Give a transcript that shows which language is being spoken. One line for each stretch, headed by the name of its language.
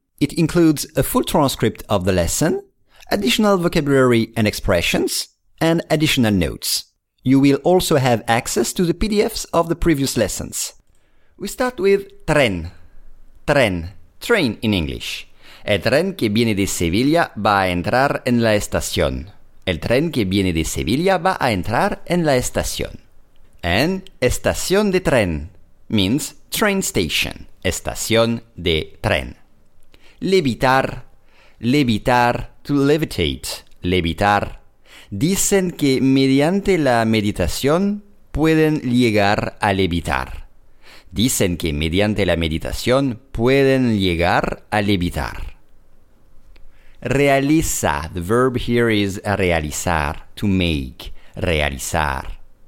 English: It includes a full transcript of the lesson, additional vocabulary and expressions, and additional notes. You will also have access to the PDFs of the previous lessons. We start with tren. Tren. Train in English.
Spanish: El tren que viene de Sevilla va a entrar en la estación. El tren que viene de Sevilla va a entrar en la estación.
English: And estación de tren means train station.
Spanish: Estación de tren. Levitar. Levitar.
English: To levitate. Levitar.
Spanish: Dicen que mediante la meditación pueden llegar a levitar. Dicen que mediante la meditación pueden llegar a levitar. Realiza.
English: The verb here is realizar, to make, realizar.